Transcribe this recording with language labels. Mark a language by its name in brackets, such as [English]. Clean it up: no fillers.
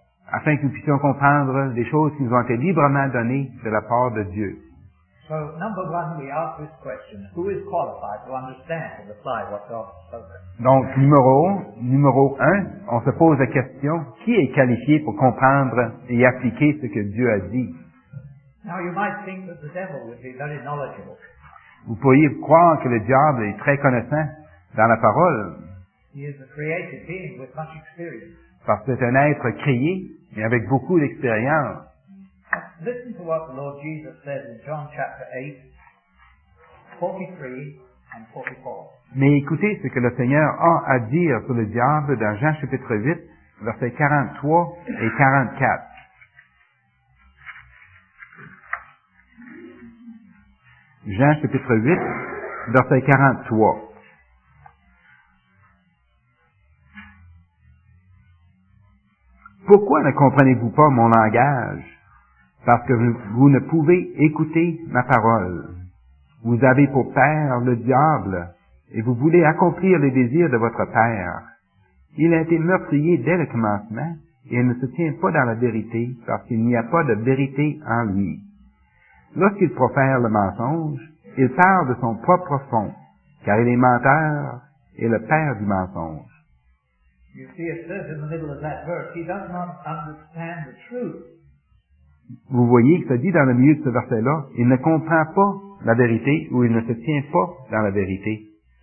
[French] Afin que nous puissions comprendre les choses qui nous ont été librement données de la part de Dieu. [English] So, number one, we ask this question, who is qualified to understand and apply what God has spoken? [French] Donc, numéro un, on se pose la question, qui est qualifié pour comprendre et appliquer ce que Dieu a dit? [English] Now, you might think that the devil would be very knowledgeable. [French] Vous pourriez croire que le diable est très connaissant dans la parole. [English] He is a created being with much experience. [French] Parce que c'est un être créé, mais avec beaucoup d'expérience. [English] Listen to what the Lord Jesus says in John chapter 8, 43 and 44. [French] Mais écoutez ce que le Seigneur a à dire sur le diable dans Jean chapitre 8, versets 43 et 44. Jean chapitre 8, verset 43. Pourquoi ne comprenez-vous pas mon langage? Parce que vous ne pouvez écouter ma parole. Vous avez pour père le diable, et vous voulez accomplir les désirs de votre père. Il a été meurtrier dès le commencement, et il ne se tient pas dans la vérité, parce qu'il n'y a pas de vérité en lui. Lorsqu'il profère le mensonge, il parle de son propre fond, car il est menteur et le père du mensonge. [English] You see, it says in the middle of that verse, he does not understand the truth. [French] Vous voyez que ça dit dans le milieu de ce verset-là, il ne comprend pas la vérité ou il ne se tient pas dans la vérité.